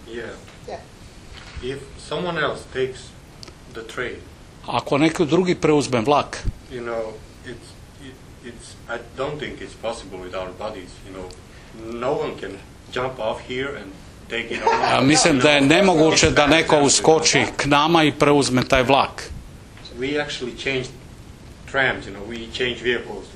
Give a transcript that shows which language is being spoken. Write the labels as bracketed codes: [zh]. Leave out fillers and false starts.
[en] Yeah. If someone else takes the train, [hr] ako neki drugi preuzme vlak, [en] you know, it's I don't think it's possible with our bodies, you know. No one can jump off here and take it on. [hr] Mislim da je nemoguće da neko uskoči k nama i preuzme taj vlak. [en] We actually changed trams, you know, we changed vehicles.